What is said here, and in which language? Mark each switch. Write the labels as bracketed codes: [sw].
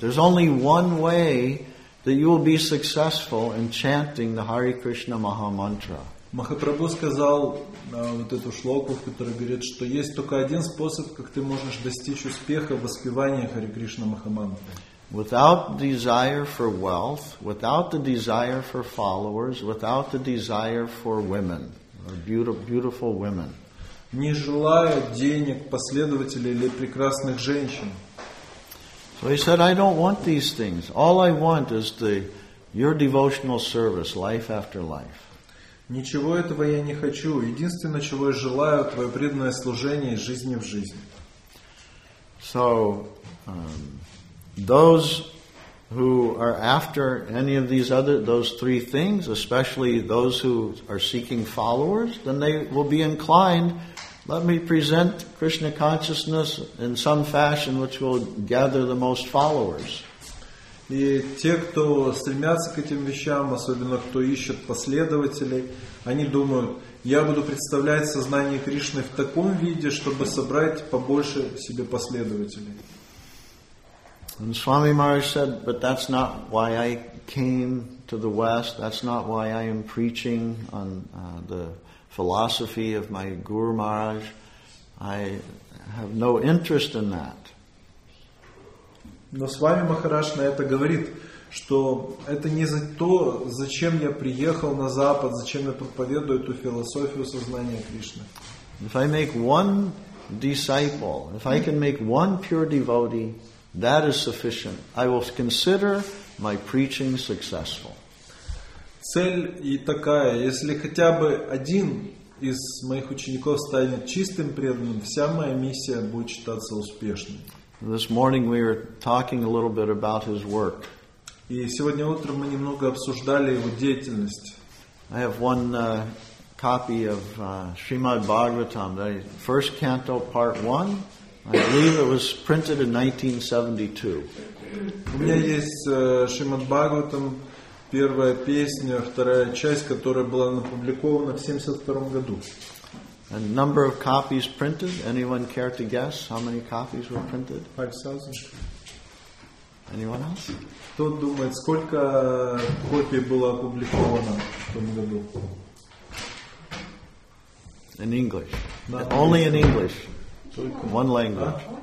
[en] There's only one way that you will be successful in chanting the Hare Krishna Maha Mantra. [ru] Махапрабху сказал вот эту шлоку, в которой говорит, что есть только один способ, как ты можешь достичь успеха в воспевании Хари Кришна Махамантры. [en] Without desire for wealth, without the desire for followers, without the desire for women, or beautiful women. [ru] Не желая денег, последователей или прекрасных женщин. [en] So he said, I don't want these things. All I want is your devotional service, life after life. [ru] Ничего этого я не хочу. Единственное, чего я желаю, твое преданное служение из жизни в жизнь. [en] So, those who are after any of these other, those three things, especially those who are seeking followers, then they will be inclined, let me present Krishna consciousness in some fashion which will gather the most followers. [ru] И те, кто стремятся к этим вещам, особенно кто ищет последователей, они думают, я буду представлять сознание Кришны в таком виде, чтобы собрать побольше себе последователей. [en] And Swami Maharaj said, but that's not why I came to the West, that's not why I am preaching on the philosophy of my Guru Maharaj. I have no interest in that. [ru] Но Свами Махарадж на это говорит, что это не за то, зачем я приехал на Запад, зачем я проповедую эту философию сознания Кришны. [en] If I make one disciple. If I can make one pure devotee, that is sufficient. I will consider my preaching successful. [ru] Цель и такая, если хотя бы один из моих учеников станет чистым преданным, вся моя миссия будет считаться успешной. [en] This morning we were talking a little bit about his work. [ru] И сегодня утром мы немного обсуждали его деятельность. [en] I have one copy of Srimad Bhagavatam, the first canto, part 1. I believe it was printed in 1972. [ru] У меня есть Шримад Бхагаватам, первая песня, вторая часть, которая была опубликована в 72 году. [en] A number of copies printed. Anyone care to guess how many copies were printed? 5,000. Anyone else? [ru] Кто думает, сколько копий было опубликовано в том году? [en] In English. Only in English. One language.